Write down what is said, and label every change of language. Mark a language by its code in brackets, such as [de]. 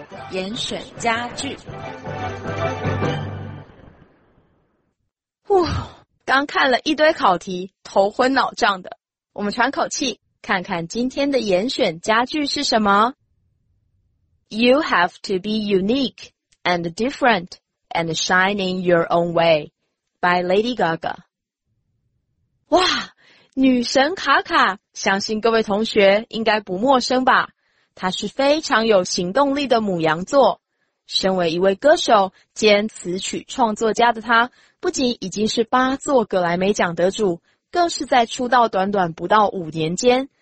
[zh] 严选家具。哇，刚看了一堆考题，头昏脑胀的。我们喘口气，看看今天的严选家具是什么。 [en] You have to be unique and different and shine in your own way, by Lady Gaga. [zh] 哇，女神卡卡，相信各位同学应该不陌生吧。他是非常有行动力的母羊座，身为一位歌手兼词曲创作家的他，不仅已经是八座格莱美奖得主，更是在出道短短不到5年间